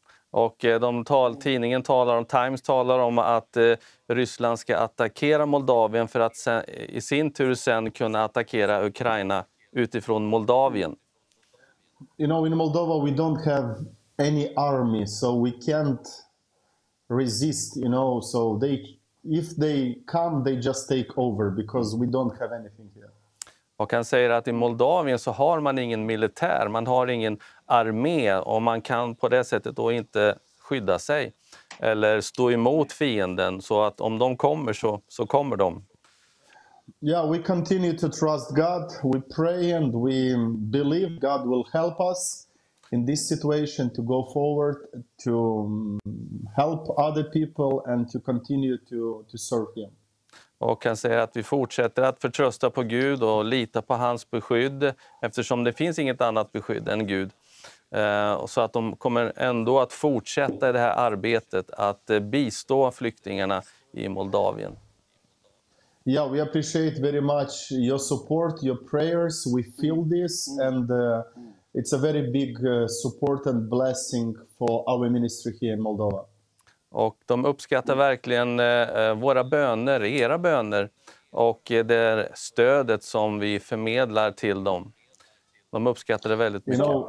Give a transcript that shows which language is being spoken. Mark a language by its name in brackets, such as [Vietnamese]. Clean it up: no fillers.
[Swedish] Och tidningen talar om, Times talar om att Ryssland ska attackera Moldavien för att sen, i sin tur sen kunna attackera Ukraina utifrån Moldavien. [English] You know, in Moldova we don't have any army, so we can't resist, you know, so they, if they come, they just take over because we don't have anything here. [Swedish] Och han säger att i Moldavien så har man ingen militär, man har ingen armé och man kan på det sättet då inte skydda sig eller stå emot fienden, så att om de kommer så kommer de. [English] Yeah, we continue to trust God, we pray and we believe God will help us in this situation to go forward, to help other people and to continue to serve him. [Swedish] Och kan säga att vi fortsätter att förtrösta på Gud och lita på hans beskydd, eftersom det finns inget annat beskydd än Gud. Så att de kommer ändå att fortsätta det här arbetet att bistå flyktingarna i Moldavien. [English] Yeah, we appreciate very much your support, your prayers. We feel this and it's a very big support and blessing for our ministry here in Moldova. [Swedish] Och de uppskattar verkligen våra böner, era böner och det stödet som vi förmedlar till dem. De uppskattar det väldigt mycket.